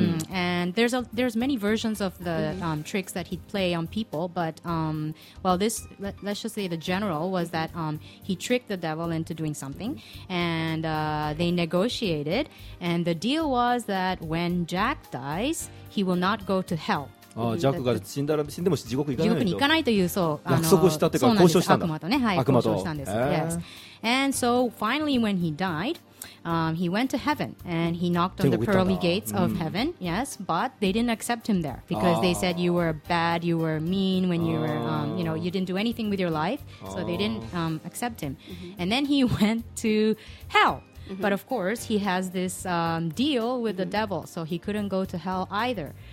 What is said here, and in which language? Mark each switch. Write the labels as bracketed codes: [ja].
[en] And there's many versions of the tricks that he'd play on people, but let's just say the general was that he tricked the devil into doing something, and they negotiated, and the deal was that when Jack dies, he will not go to hell. [ja] ああジャックが死んだら死んでも地獄行かないと地獄に行かないという約束をしたというか交渉したんだ悪魔とね、はい、悪魔と交渉したんです、yes. [en] And so finally when he diedhe went to heaven and he knocked on the pearly gates of heaven, yes, but they didn't accept him there because they said you were bad, you were mean when you were, you didn't do anything with your life, so they didn't accept him. And then he went to hell. But of course, he has this deal with the devil, so he couldn't go to hell either.